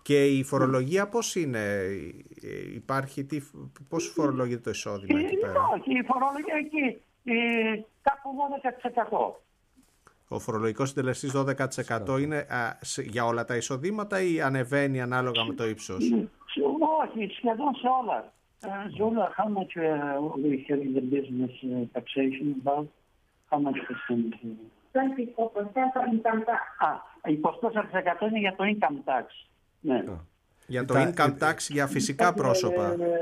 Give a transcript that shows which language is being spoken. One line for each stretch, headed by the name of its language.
Greek: Και η φορολογία πώς είναι, υπάρχει, πώς φορολογείται το εισόδημα εκεί πέρα? Όχι, η φορολογία εκεί, κάπου 12%. Ο φορολογικός συντελεστής 12% είναι για όλα τα εισοδήματα ή ανεβαίνει ανάλογα με το ύψος? Όχι, σχεδόν σε όλα.
English: Ζούλα, how much we have in the business taxation about? How much percent? 24% income tax.
Greek: 24% είναι για το income tax. Ναι. Για το income tax για φυσικά πρόσωπα.